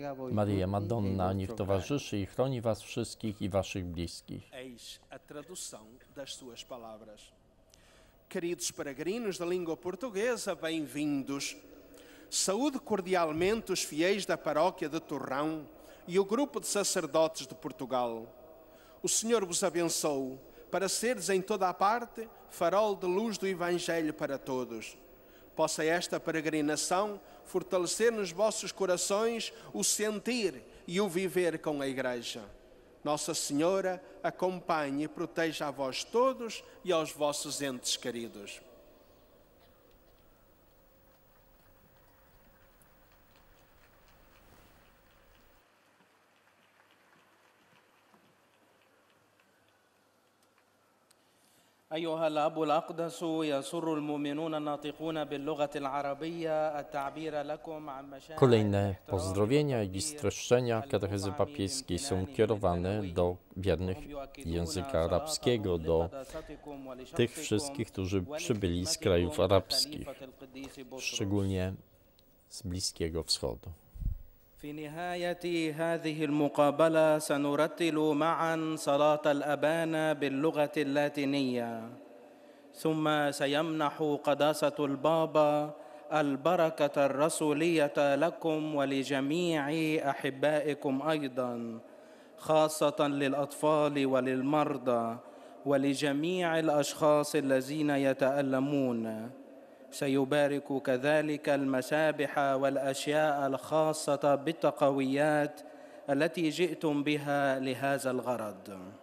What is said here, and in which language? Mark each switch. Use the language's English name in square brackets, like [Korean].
[Polish] Maria Madonna, niech towarzyszy i chroni was wszystkich i waszych bliskich. [Portuguese] Eis a tradução das suas palavras. Queridos peregrinos da língua portuguesa, bem-vindos. Saúdo cordialmente os fiéis da paróquia de Torrão e o grupo de sacerdotes de Portugal. O Senhor vos abençoe para seres em toda a parte farol de luz do Evangelho para todos. Possa esta peregrinação fortalecer nos vossos corações o sentir e o viver com a Igreja. Nossa Senhora acompanhe e proteja a vós todos e aos vossos entes queridos. [Arabic] أيها الأب الأقدس يسر المؤمنون الناطقون باللغة العربية التعبير لكم عن مشاعر. [Polish] Kolejne pozdrowienia i streszczenia katechezy papieskiej są kierowane do wiernych języka arabskiego, do tych wszystkich, którzy przybyli z krajów arabskich, szczególnie z Bliskiego Wschodu. [Arabic] في نهاية هذه المقابلة سنرتل معا صلاة الأبانا باللغة اللاتينية ثم سيمنح قداسة البابا البركة الرسولية لكم ولجميع أحبائكم أيضا خاصة للأطفال وللمرضى ولجميع الأشخاص الذين يتألمون سيبارك كذلك المسابح والأشياء الخاصة بالتقويات التي جئتم بها لهذا الغرض.